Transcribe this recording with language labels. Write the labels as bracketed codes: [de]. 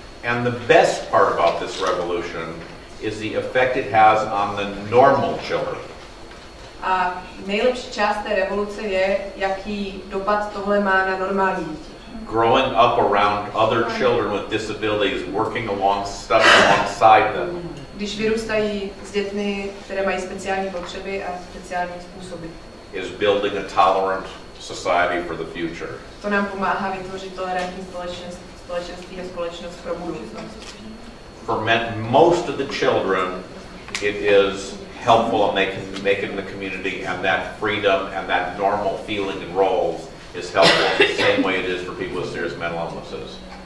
[en] And the best part about this revolution is the effect it has on the normal children. [cs] A nejlepší část té revoluce je, jaký dopad tohle má na normální děti. [en] Growing up around other children with disabilities, working along, studying alongside them. [cs] Když vyrůstají s dětmi, které mají speciální potřeby a speciální způsoby. [en] Is building a tolerant society for the future. [cs] To nám pomáhá vytvořit tolerantní společenství a společnost pro budoucnost. [en] For most of the children, it is helpful and they can make it in the community, and that freedom and that normal feeling and roles is helpful the same way it is for people with serious mental illnesses.